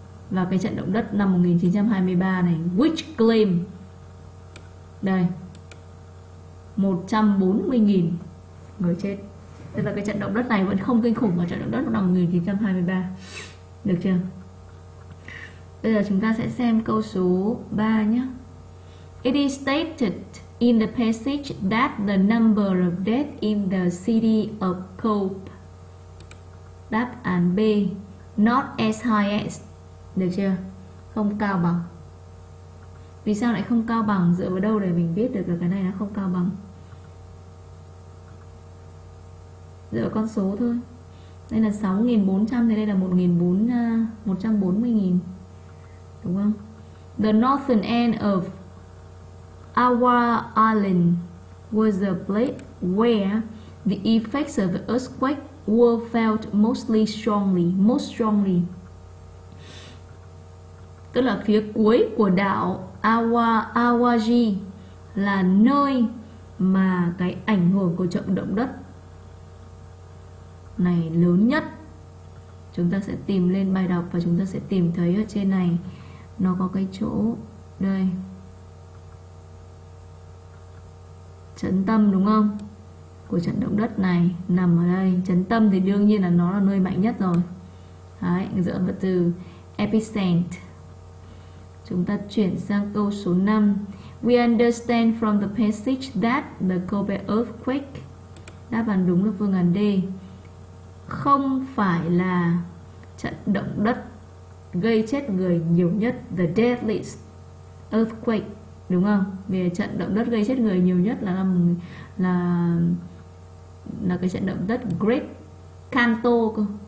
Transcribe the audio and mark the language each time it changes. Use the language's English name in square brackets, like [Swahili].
[Vietnamese] Và cái trận động đất năm 1923 này, [English] which claim, [Vietnamese] đây, 140.000 người chết. Tức là cái trận động đất này vẫn không kinh khủng ở trận động đất năm 1923. Được chưa? Bây giờ chúng ta sẽ xem câu số 3 nhé. [English] It is stated in the passage that the number of death in the city of Kobe. [Vietnamese] Đáp án B, [English] not as high as. [Vietnamese] Được chưa? Không cao bằng. Vì sao lại không cao bằng? Dựa vào đâu để mình biết được là cái này nó không cao bằng? Dựa vào con số thôi. Đây là 6.400, thì đây là 140.000, đúng không? [English] The northern end of our island was the place where the effects of the earthquake were felt most strongly. [Vietnamese] Tức là phía cuối của đảo Awaji là nơi mà cái ảnh hưởng của trận động đất này lớn nhất. Chúng ta sẽ tìm lên bài đọc và chúng ta sẽ tìm thấy ở trên này nó có cái chỗ đây. Trấn tâm, đúng không? Của trận động đất này nằm ở đây. Chấn tâm thì đương nhiên là nó là nơi mạnh nhất rồi. Đấy, dựa vào từ epicenter. Chúng ta chuyển sang câu số 5. [English] We understand from the passage that the Kobe earthquake. [Vietnamese] Đáp án đúng là phương án D. Không phải là trận động đất gây chết người nhiều nhất, [English] the deadliest earthquake, [Vietnamese] đúng không? Vì trận động đất gây chết người nhiều nhất là cái trận động đất Great Kanto cơ.